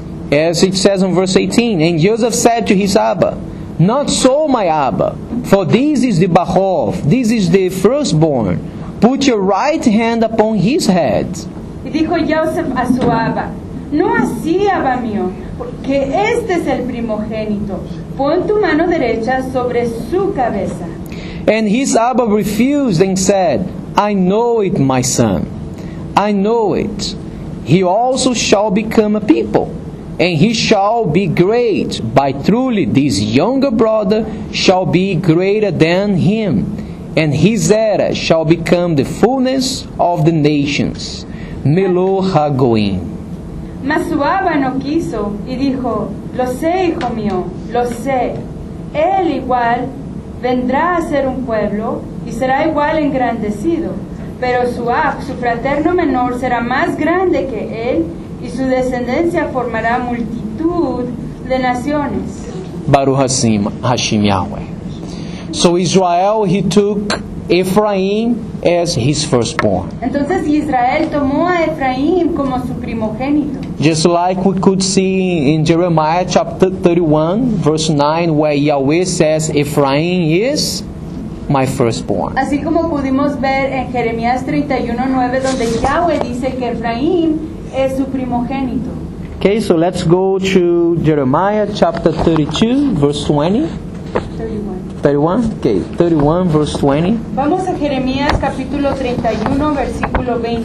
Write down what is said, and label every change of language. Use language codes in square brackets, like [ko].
[en] As it says in verse 18, and Joseph said to his Abba, not so, my Abba, for this is the Bachor, this is the firstborn. Put your right hand upon his head. [es] Y dijo Joseph a su Abba, no así, Abba mío, porque este es el primogénito. Pon tu mano derecha sobre su cabeza. [en] And his Abba refused and said, I know it, my son. I know it. He also shall become a people, and he shall be great, but truly this younger brother shall be greater than him, and his heir shall become the fullness of the nations. [he] Melo Hagoyim. [es] Mas su Abba no quiso y dijo, lo sé, hijo mío, lo sé. Él igual vendrá a ser un pueblo y será igual engrandecido. Pero su Ab, su fraterno menor, será más grande que él y su descendencia formará multitud de naciones. [he] Baruch Hashim, Hashim Yahweh. [en] So Israel, he took Ephraim as his firstborn. [es] Entonces Israel tomó a Ephraim como su primogénito. [en] Just like we could see in Jeremiah chapter 31, verse 9, where Yahweh says, Ephraim is my firstborn. [es] Así como pudimos ver en Jeremías 31:9, donde Yahweh dice que Ephraim es su primogénito. [en] Okay, so let's go to Jeremiah chapter 32, verse 20. 31, verse 20. [es] Vamos a Jeremías capítulo 31, versículo